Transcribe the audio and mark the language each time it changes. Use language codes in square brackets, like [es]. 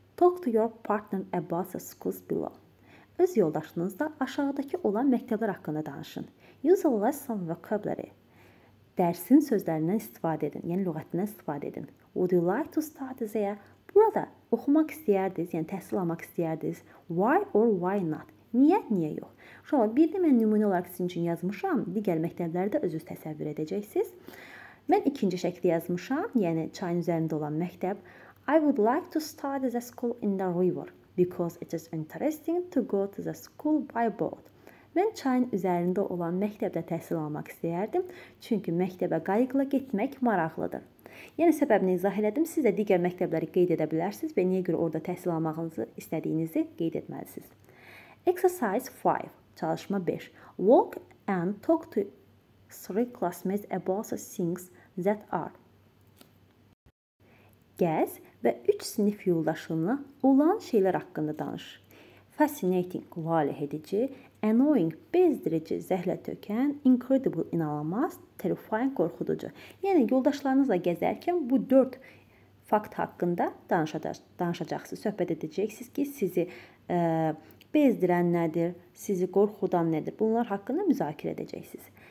[en] Talk to your partner about the schools below. [az] Öz yoldaşınızla aşağıdakı olan məktəblər haqqında danışın. [en] Use a lesson vocabulary. [az] Dərsin sözlərindən istifadə edin, yəni lüğətindən istifadə edin. [en] Would you like to start there? [az] Burada oxumaq istəyərdiniz, yəni təhsil almaq istəyərdiniz. [en] Why or why not? [az] Niyə, niyə yox? Uşaqlar, bir də mən nümunə olaraq sizin üçün yazmışam. Digər məktəbləri də özünüz təsəvvür edəcəksiniz. Mən ikinci şəkli yazmışam, yəni çayın üzərində olan məktəb. [en] I would like to study the school in the river because it is interesting to go to the school by boat. [az] Mən çayın üzərində olan məktəbdə təhsil almaq istəyərdim, çünki məktəbə qayıqla getmək maraqlıdır. Yəni, səbəbini izah elədim, siz də digər məktəbləri qeyd edə bilərsiniz və niyə görə orada təhsil almağınızı istədiyinizi qeyd etməlisiniz. [en] Exercise 5, [az] çalışma 5. [en] Walk and talk to three classmates about the things that are. [az] Gəz və 3 sinif yoldaşınla olan şeylər haqqında danış. Fascinating, valehedici, annoying, bezdirici, zəhlətökən, incredible, inanılmaz, terrifying, qorxuducu. Yəni, yoldaşlarınızla gəzərkən bu 4 fakt haqqında danışacaqsınız, söhbət edəcəksiniz ki, sizi bezdirən nədir, sizi qorxudan nədir, bunlar haqqında müzakirə edəcəksiniz.